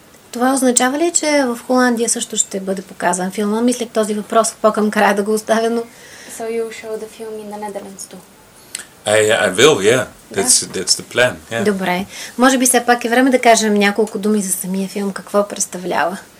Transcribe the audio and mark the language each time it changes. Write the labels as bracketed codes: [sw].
[bg] Това означава ли, че в Холандия също ще бъде показан филма? Мислях този въпрос по-към края да го оставя, но... [en] So you show the film in the Netherlands too? I will, yeah. That's the plan. Yeah. [bg] Добре. Може би все пак е време да кажем няколко думи за самия филм, какво представлява.